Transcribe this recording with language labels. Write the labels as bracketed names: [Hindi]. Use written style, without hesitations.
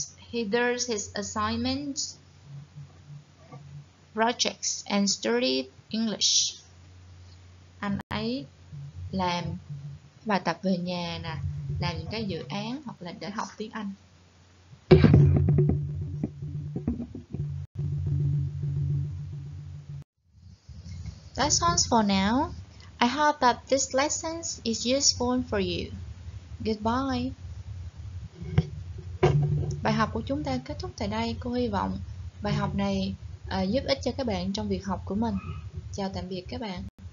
[English] He does his assignments, projects, and study English. [Vietnamese] Anh ấy làm bài tập về nhà nè, làm những cái dự án hoặc là để học tiếng Anh. [English] That's all for now. I hope that this lesson is useful for you. Goodbye. [Vietnamese] Bài học của chúng ta kết thúc tại đây. Cô hy vọng bài học này giúp ích cho các bạn trong việc học của mình. Chào tạm biệt các bạn.